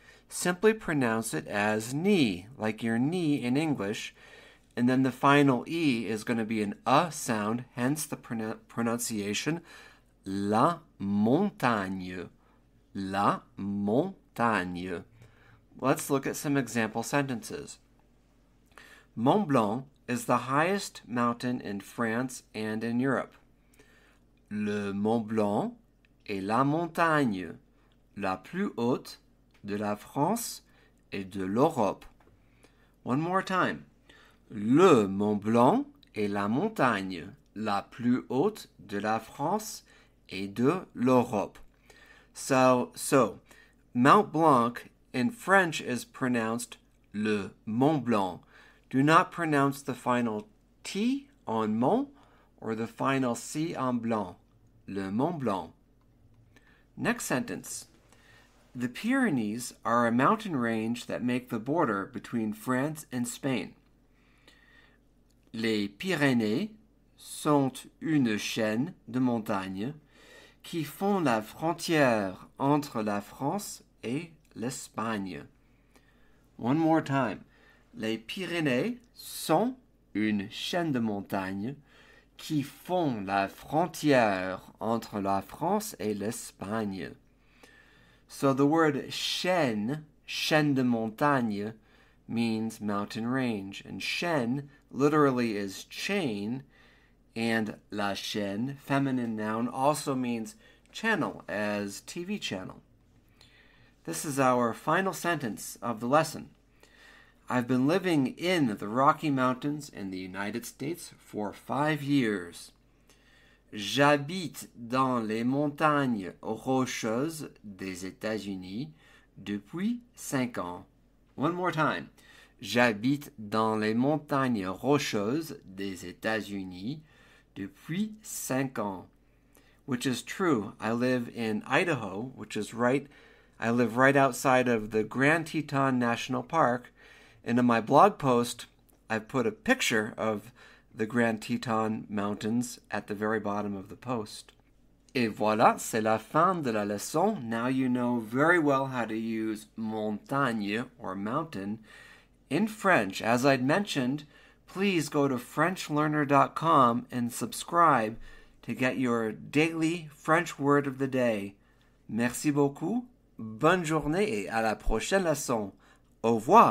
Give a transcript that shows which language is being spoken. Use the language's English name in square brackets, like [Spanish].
[English] Simply pronounce it as knee, like your knee in English, and then the final e is going to be an sound, hence the pronunciation la montagne. [French] La montagne. [English] Let's look at some example sentences. Mont Blanc is the highest mountain in France and in Europe. [French] Le Mont Blanc est la montagne la plus haute de la France et de l'Europe. [English] One more time. [French] Le Mont Blanc est la montagne la plus haute de la France et de l'Europe. [English] So, Mount Blanc in French is pronounced le Mont Blanc. Do not pronounce the final T on Mont or the final C on Blanc. Le Mont Blanc. Next sentence. The Pyrenees are a mountain range that make the border between France and Spain. [French] Les Pyrénées sont une chaîne de montagnes qui font la frontière entre la France et l'Espagne. [English] One more time. [French] Les Pyrénées sont une chaîne de montagnes qui font la frontière entre la France et l'Espagne. [English] So the word chaîne, chaîne de montagne, means mountain range. And chaîne literally is chain. And la chaîne, feminine noun, also means channel, as TV channel. This is our final sentence of the lesson. I've been living in the Rocky Mountains in the United States for 5 years. [French] J'habite dans les montagnes rocheuses des États-Unis depuis 5 ans. [English] One more time. [French] J'habite dans les montagnes rocheuses des États-Unis depuis 5 ans, [English] which is true. I live in Idaho, which is right. I live right outside of the Grand Teton National Park. And in my blog post, I've put a picture of the Grand Teton Mountains at the very bottom of the post. [French] Et voilà, c'est la fin de la leçon. [English] Now you know very well how to use montagne or mountain in French. As I'd mentioned, please go to FrenchLearner.com and subscribe to get your daily French word of the day. [French] Merci beaucoup. Bonne journée et à la prochaine leçon. Au revoir.